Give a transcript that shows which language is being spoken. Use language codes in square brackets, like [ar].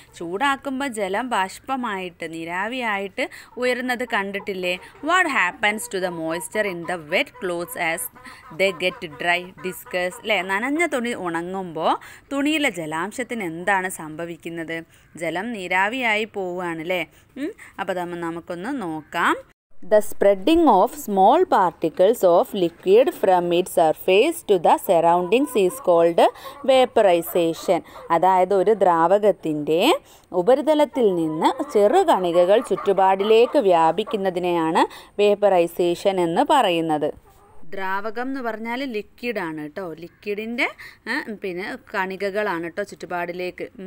[ml] ചൂടാക്കുമ്പോൾ ജലം ബാഷ്പമായിട്ട്, നീരാവിയായിട്ട് ഉയരുന്നത് കണ്ടിട്ടില്ലേ? [en] What happens to the moisture in the wet clothes as the get dry discuss, അല്ലേ. [ml] നനഞ്ഞ തുണി ഉണങ്ങുമ്പോൾ തുണിയിലെ ജലാംശത്തിന് എന്താണ് സംഭവിക്കുന്നത്? ജലം നീരാവിയായി പോവുകയാണ് അല്ലേ. അപ്പോൾ നമുക്കൊന്ന് നോക്കാം. [en] The spreading of small particles of liquid from its surface to the surroundings is called vaporization. [ml] അതായത് ഒരു ദ്രാവകത്തിൻ്റെ ഉപരിതലത്തിൽ നിന്ന് ചെറുകണികകൾ ചുറ്റുപാടിലേക്ക് വ്യാപിക്കുന്നതിനെയാണ് വേപ്പറൈസേഷൻ എന്ന് പറയുന്നത്. ദ്രാവകം എന്ന് പറഞ്ഞാൽ ലിക്വിഡാണ് കേട്ടോ, ലിക്വിഡിൻ്റെ പിന്നെ കണികകളാണ് കേട്ടോ ചുറ്റുപാടിലേക്ക്.